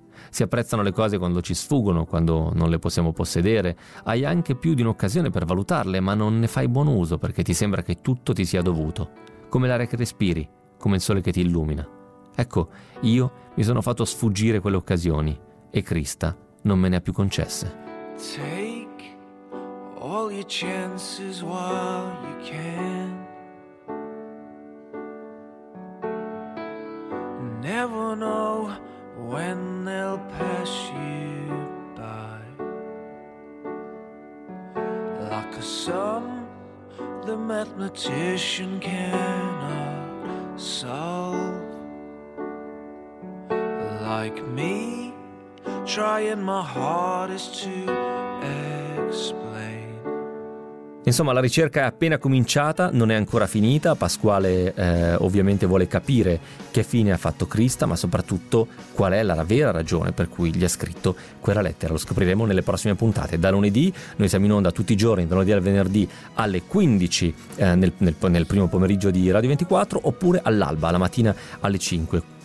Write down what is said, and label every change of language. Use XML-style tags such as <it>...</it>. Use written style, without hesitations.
<it>Si apprezzano le cose quando ci sfuggono, quando non le possiamo possedere, hai anche più di un'occasione per valutarle, ma non ne fai buon uso perché ti sembra che tutto ti sia dovuto, come l'aria che respiri, come il sole che ti illumina. Ecco, io mi sono fatto sfuggire quelle occasioni e Crista non me ne ha più concesse.</it> <en>All your chances while you can. Never know when they'll pass you by. Like a sum the mathematician cannot solve. Like me, trying my hardest to explain.</en> <it>Insomma, la ricerca è appena cominciata, non è ancora finita. Pasquale ovviamente vuole capire che fine ha fatto Crista, ma soprattutto qual è la vera ragione per cui gli ha scritto quella lettera. Lo scopriremo nelle prossime puntate. Da lunedì noi siamo in onda tutti i giorni, da lunedì al venerdì alle 15 nel primo pomeriggio di Radio 24, oppure all'alba, la mattina alle 5.</it>